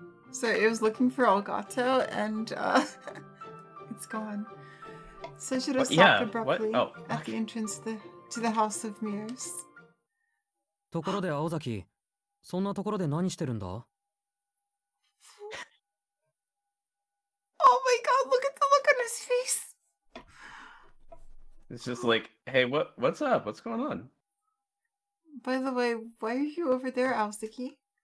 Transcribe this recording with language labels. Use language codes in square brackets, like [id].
[en] So it was looking for Elgato, and it's gone. So should have stopped abruptly at the entrance to the House of Mirrors. [ja] ところで青崎、そんなところで何してるんだ? [en] Oh my god, look at the look on his face! It's just like, hey, what's up? What's going on? By the way, why are you over there, Aozaki?